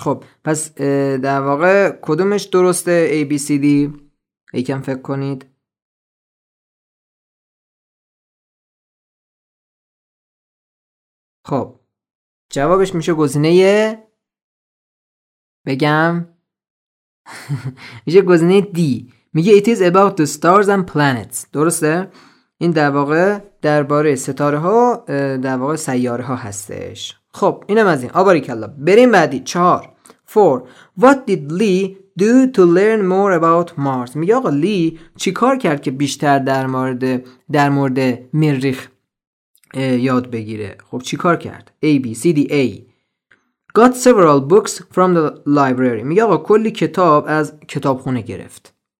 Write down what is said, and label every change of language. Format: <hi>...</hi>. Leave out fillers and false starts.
<fa>خب پس در واقع کدومش درسته؟ A, B, C, D. یکم فکر کنید. خب جوابش میشه گزینه یه بگم میشه گزینه D. میگه</fa> <en>It is about the stars and planets.</en> <fa>درسته؟ این در واقع درباره ستاره ها در واقع سیاره ها هستش. خب اینم از این. آباریکلا. بریم بعدی. 4. 4.</fa> <en>What did Lee do to learn more about Mars?</en> <fa>میگه آقا لی چی کار کرد که بیشتر در مورد مریخ یاد بگیره؟ خب چی کار کرد؟ A, B, C, D, A.</fa> <en>Got several books from the library.</en> <fa>میگه آقا کلی کتاب از کتابخونه گرفت.</fa>